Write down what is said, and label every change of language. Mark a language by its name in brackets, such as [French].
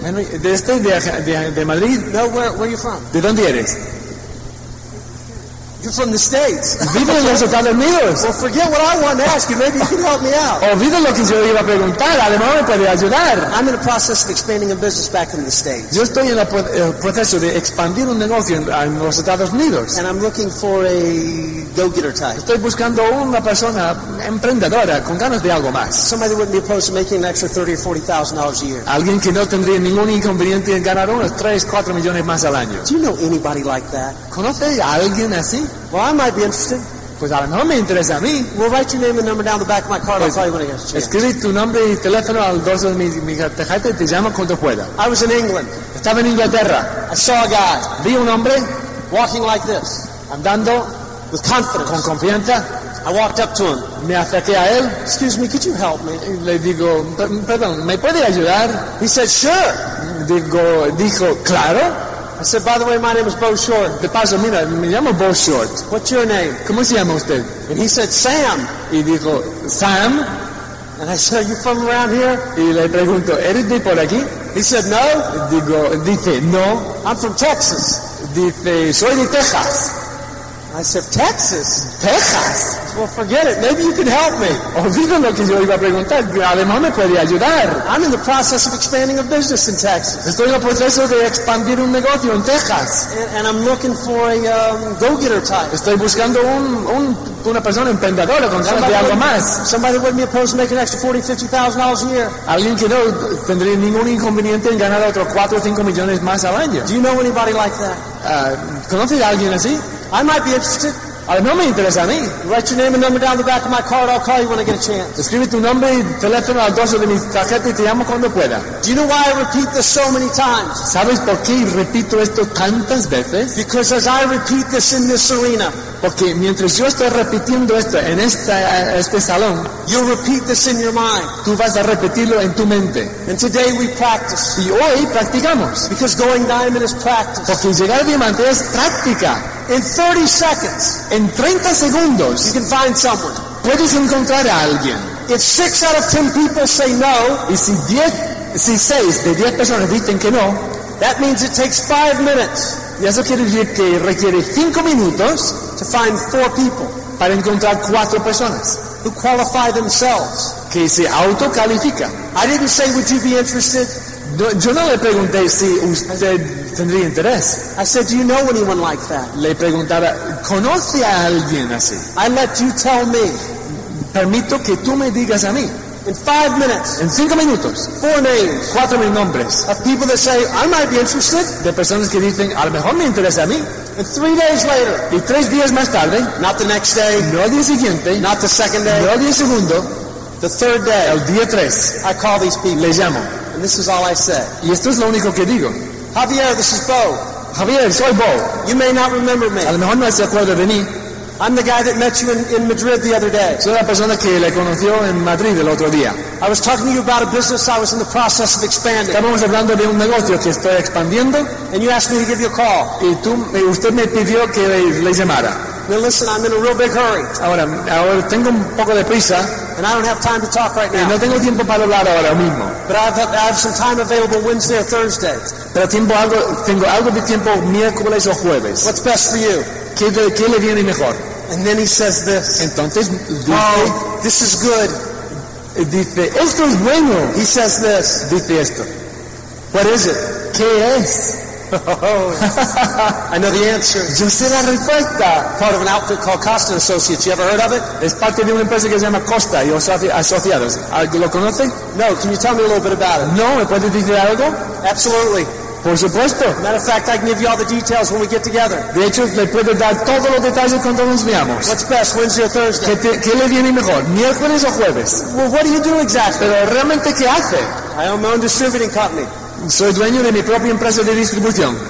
[Spanish] Henry, ¿estás de Madrid? [English] No, where are you from? [Spanish] ¿De dónde eres? [English] You're from the States. [Spanish] Vive en los Estados Unidos. [English] Well, forget what I want to ask you. Maybe you can help me out. [Spanish] Olvida lo que yo iba a preguntar. A lo mejor me puede ayudar. [English] I'm in the process of expanding a business back in the States. [Spanish] Yo estoy en el proceso de expandir un negocio en los Estados Unidos. [English] And I'm looking for a go-getter type. [Spanish] Estoy buscando una persona emprendedora con ganas de algo más. [English] Somebody wouldn't be opposed to making an extra $30,000 or $40,000 a year. [Spanish] Alguien que no tendría ningún inconveniente en ganar unos 3-4 millones más al año. [English] Do you know anybody like that? [Spanish] ¿Conoce a alguien así? [English] Well, I might be interested. [Spanish] Pues a lo mejor me interesa a mí. [English] Well, write your name and number down the back of my card. I'll call you when I get a chance. [Spanish] Escribe tu nombre y teléfono al dorso de mi tarjeta y te llamo cuando pueda. [English] I was in England. [Spanish] Estaba en Inglaterra. [English] I saw a guy. [Spanish] Vi un hombre. [English] Walking like this. [Spanish] Andando. [English] With confidence. [Spanish] Con confianza. [English] I walked up to him. [Spanish] Me acerqué a él. [English] Excuse me, could you help me? [Spanish] Le digo, perdón, ¿me puede ayudar? [English] He said, sure. [Spanish] Dijo, claro. [English] I said, by the way, my name is Bo Short. [Spanish] De paso, mira, me llamo Bo Short. [English] What's your name? [Spanish] ¿Cómo se llama usted? [English] And he said, Sam. [Spanish] Y dijo, Sam. [English] And I said, are you from around here? [Spanish] Y le pregunto, ¿eres de por aquí? [English] He said, no. [Spanish] Dice, no. [English] I'm from Texas. [Spanish] Dice, soy de Texas. [English] I said, Texas? Texas? Well, forget it. Maybe you can help me. [Spanish] Olvido lo que yo iba a preguntar. A lo mejor me puede ayudar. [English] I'm in the process of expanding a business in Texas. [Spanish] Estoy en el proceso de expandir un negocio en Texas. [English] And I'm looking for a go-getter type. [Spanish] Estoy buscando una persona emprendedora con ganas de algo más. [English] Somebody wouldn't be opposed to making an extra $40,000-$50,000 a year. [Spanish] Alguien que no tendría ningún inconveniente en ganar otros 4 o 5 millones más al año. [English] Do you know anybody like that? [Spanish] ¿Conoce a alguien así? [English] I might be interested. [Spanish] A lo mejor me interesa a mí. [English] Write your name and number down the back of my card. I'll call you when I get a chance. [Spanish] Escribe tu nombre y teléfono al dorso de mi tarjeta y te llamo cuando pueda. [English] Do you know why I repeat this so many times? [Spanish] ¿Sabes por qué repito esto tantas veces? [English] Because as I repeat this in this arena. [Spanish] Porque mientras yo estoy repitiendo esto en este salón. [English] You'll repeat this in your mind. [Spanish] Tú vas a repetirlo en tu mente. [English] And today we practice. [Spanish] Y hoy practicamos. [English] Because going diamond is practice. [Spanish] Porque llegar diamante es práctica. [English] In 30 seconds, [Spanish] en 30 segundos, [English] you can find someone. [Spanish] Puedes encontrar a alguien. [English] If 6 out of 10 people say no, [Spanish] y si 6 de 10 personas dicen que no, [English] that means it takes 5 minutes. [Spanish] Y eso quiere decir que requiere 5 minutos [English] to find 4 people. [Spanish] Para encontrar 4 personas. [English] Who qualify themselves. [Spanish] Que se autocalifican. [English] I didn't say, would you be interested? [Spanish] Yo no le pregunté si usted tendría interés. [English] I said, do you know anyone like that? [Spanish] Le preguntaba, ¿conoce a alguien así? [English] I let you tell me. [Spanish] Permito que tú me digas a mí. [English] In 5 minutes. [Spanish] En 5 minutos. [English] 4 names. [Spanish] 4 nombres. [English] Of people that say, I might be interested. [Spanish] De personas que dicen, a lo mejor me interesa a mí. [English] And 3 days later. [Spanish] Y 3 días más tarde. [English] Not the next day. [Spanish] No el día siguiente. [English] Not the second day. [Spanish] No el día segundo. [English] The third day. [Spanish] El día 3. [English] I call these people. [Spanish] Le llamo. [English] And this is all I said. [Spanish] Y esto es lo único que digo. [English] Javier, this is Bo. [Spanish] Javier, soy Bo. [English] You may not remember me. [Spanish] A lo mejor no se acuerda de mí. [English] I'm the guy that met you in Madrid the other day. [Spanish] Soy la persona que le conoció en Madrid el otro día. [English] I was talking to you about a business I was in the process of expanding. [Spanish] Estábamos hablando de un negocio que estoy expandiendo. [English] And you asked me to give you a call. [Spanish] Y usted me pidió que le llamara. [English] Now listen, I'm in a real big hurry. [Spanish] Ahora tengo un poco de prisa. [English] And I don't have time to talk right now. [Spanish] No tengo tiempo para hablar ahora mismo. [English] But I have some time available Wednesday or Thursday. [Spanish] Pero tengo algo de tiempo miércoles o jueves. [English] What's best for you? [Spanish] ¿Qué le viene mejor? [English] And then he says this. [Spanish] Entonces, [English] this is good. [Spanish] Dice, esto es bueno. [English] He says this. [Spanish] Dice esto. [English] What is it? [Spanish] ¿Qué es? [English] I know the answer. [Spanish] Yo sé la respuesta. [English] Part of an outfit called Costa Associates. You ever heard of it? [Spanish] Es parte de una empresa que se llama Costa y Asociados. ¿Lo conoce? No. [English] Can you tell me a little bit about it? [Spanish] No. ¿Me puede decir algo? [English] Absolutely. [Spanish] Por supuesto. [English] Matter of fact, I can give you all the details when we get together. [Spanish] De hecho, le puedo dar todos los detalles cuando nos veamos. [English] What's best, Wednesday or Thursday? [Spanish] ¿Qué le viene mejor, miércoles o jueves? [English] Well, what do you do exactly? [Spanish] Pero realmente, ¿qué hace? [English] I own my own distributing company. [Spanish] Soy dueño de mi propia empresa de distribución.